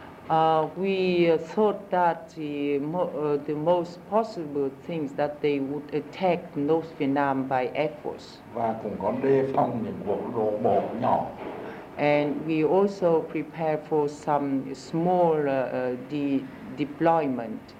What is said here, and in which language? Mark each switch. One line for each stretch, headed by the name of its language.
English: We thought that the most possible things that they would attack North Vietnam by air force.
Vietnamese: Và cũng có đề phòng những cuộc đột bộ nhỏ.
English: And we also prepare for some small deployment.